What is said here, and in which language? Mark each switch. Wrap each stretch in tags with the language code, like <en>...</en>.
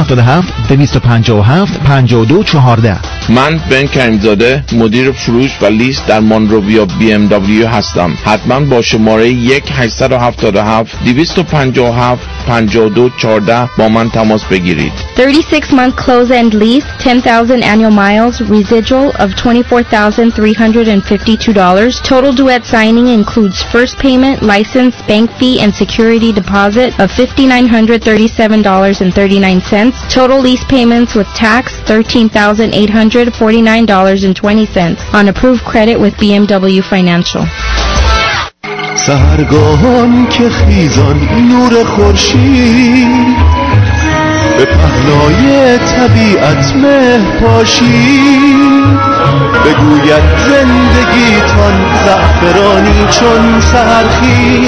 <fa>1-877-257-5214. من بن کریمزاده مدیر فروش و لیز در مونروویا BMW هستم. حتما با شماره 1-877-257-5214 با من تماس بگیرید.</fa> <en>36 month close and lease, 10,000 annual miles, residual of $24,352. Total due at signing includes first payment, license, bank fee and security deposit of $5,937.39. Total lease payments with tax $13,849.20 on approved credit with BMW Financial.</en> <fa>سهرگاهان که خیزان نور خورشید به پهنای طبیعت مه پاشی بگوید زندگیتان زعفرانی چون سهرخی</fa>